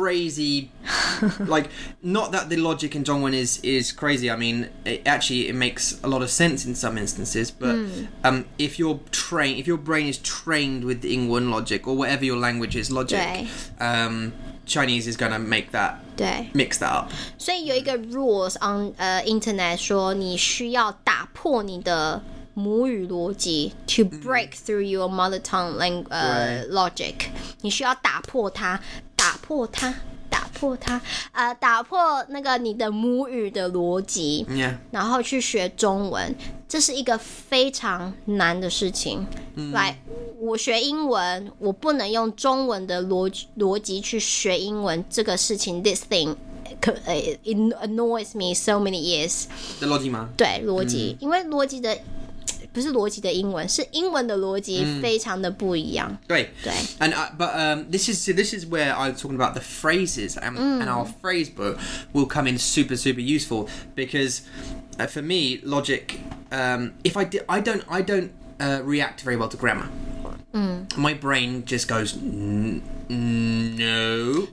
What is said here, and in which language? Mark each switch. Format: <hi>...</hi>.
<en>crazy like not that the logic in 中文 is crazy I mean it makes a lot of sense in some instances but if your brain is trained with the 英文 logic or whatever your language is logic Chinese is gonna make that mix that up.</en> <zh>所以有一个</zh> <en>rules on internet</en> <zh>说你需要打破你的母语逻辑</zh> <en>to break through your mother tongue language, logic.</en> <zh>你需要打破它，打破它，打破它，打破那个你的母语的逻辑，</zh> <en>yeah.</en> <zh>然后去学中文，这是一个非常难的事情。来、我学英文，我不能用中文的逻辑去学英文，这个事情</zh> <en>this thing. It annoys me so many years.</en> <zh>的逻辑吗？对，逻辑、因为逻辑的不是逻辑的英文，是英文的逻辑非常的不一样。对对。</zh> <en>And this is where I was talking about the phrases and our phrase book will come in super super useful because for me logic if I did, I don't react very well to grammar. My brain just goes. No.</en>